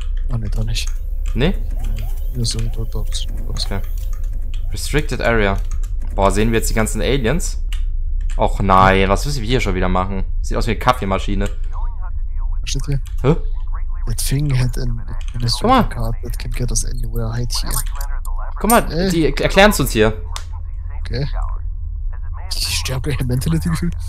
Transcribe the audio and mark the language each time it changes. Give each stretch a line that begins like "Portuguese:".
German: Ah, nee, doch nicht. Nee? Wir sind dort.
English: Okay. Restricted Area.
German: Boah, sehen wir jetzt die ganzen Aliens? Och nein, was müssen wir hier schon wieder machen? Sieht aus wie eine Kaffeemaschine. Was steht hier? Hä?
English: That thing had an administrative card that can get us anywhere right here.
German: Guck mal, die erklären es uns hier. Okay. Die stärkere Mentality gefühlt.